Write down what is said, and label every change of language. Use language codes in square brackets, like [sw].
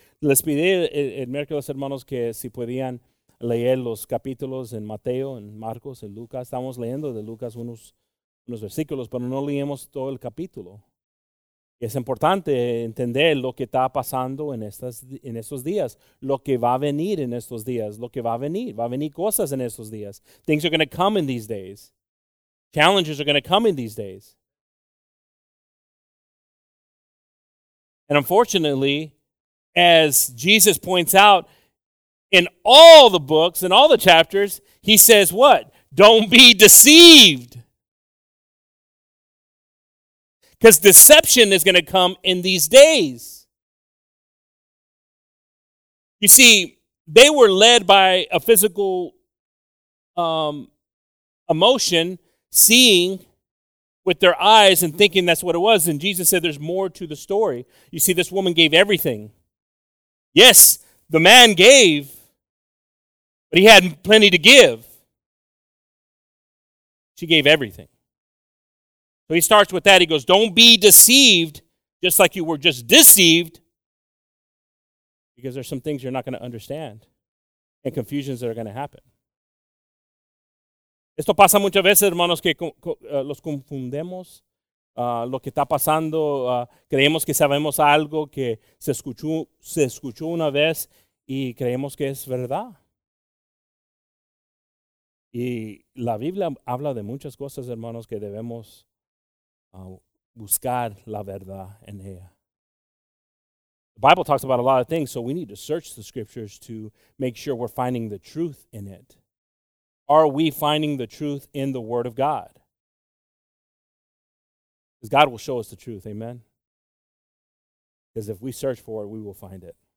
[es] Les pide el miércoles, hermanos, que si podían leer los capítulos en Mateo, en Marcos, en Lucas. Estamos leyendo de Lucas unos versículos, pero no leemos todo el capítulo. Es importante entender lo que está pasando en estos días, lo que va a venir en estos días, lo que va a venir cosas en estos días. [en] Things are going to come in these days. Challenges are going to come in these days. And unfortunately, as Jesus points out in all the books, in all the chapters, he says what? Don't be deceived. Because deception is going to come in these days. You see, they were led by a physical emotion, seeing with their eyes and thinking that's what it was. And Jesus said there's more to the story. You see, this woman gave everything. Yes, the man gave, but he had plenty to give. She gave everything. So he starts with that. He goes, don't be deceived, just like you were just deceived, because there's some things you're not going to understand and confusions that are going to happen. [es] Esto pasa muchas veces, hermanos, que los confundemos. Lo que está pasando, creemos que sabemos algo que se escuchó una vez y creemos que es verdad. Y la Biblia habla de muchas cosas, hermanos, que debemos buscar la verdad en ella. [en] The Bible talks about a lot of things, so we need to search the scriptures to make sure we're finding the truth in it. Are we finding the truth in the Word of God? Because God will show us the truth, amen? Because if we search for it, we will find it.